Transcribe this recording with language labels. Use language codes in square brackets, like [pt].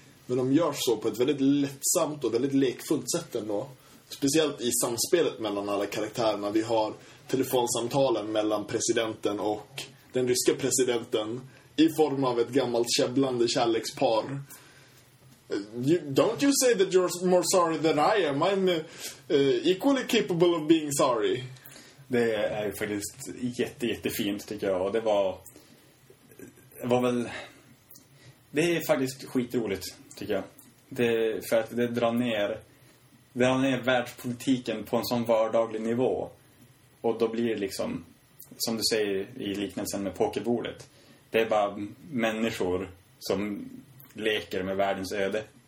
[sv] Men de gör så på ett väldigt lättsamt och väldigt lekfullt sätt ändå. Speciellt i samspelet mellan alla karaktärerna. Vi har telefonsamtalen mellan presidenten och den ryska presidenten i form av ett gammalt käbblande kärlekspar. [en] Don't you say that you're more sorry than I am. I'm equally capable of being sorry. [sv] Det är faktiskt jätte, jättefint, tycker jag. Och det var väl... Det är faktiskt skitroligt, tycker jag. Det, för att det drar ner... Det är världspolitiken på en sån vardaglig nivå. Och då blir det liksom, som du säger i liknelsen med pokerbordet, det är bara människor som leker med världens öde.